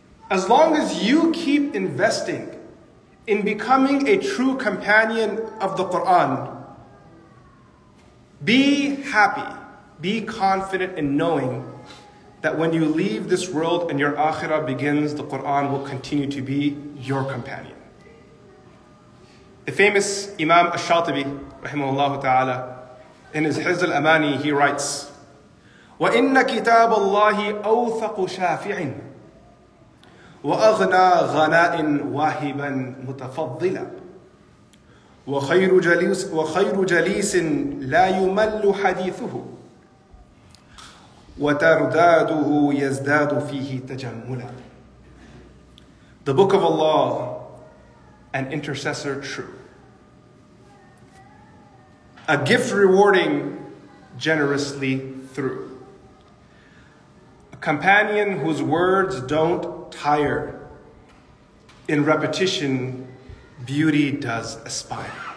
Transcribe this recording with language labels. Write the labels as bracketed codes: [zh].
[en] As long as you keep investing in becoming a true companion of the Qur'an, be happy, be confident in knowing that when you leave this world and your akhirah begins, the Qur'an will continue to be your companion. The famous Imam Ash-Shatibi, rahimahullah ta'ala, in his Hizr al-Amani, he writes, [ar] وَإِنَّ كِتَابَ اللَّهِ أَوْثَقُ شَافِعٍ وَأَغْنَى غَنَاءٍ وَاهِبًا مُتَفَضِّلًا وَخَيْرُ جَلِيسٍ لَا يُمَلُّ حَدِيثُهُ وَتَرْدَادُهُ يَزْدَادُ فِيهِ تَجَمُّلًا. [en] The Book of Allah, an intercessor true, a gift rewarding generously through, a companion whose words don't tire, in repetition beauty does aspire.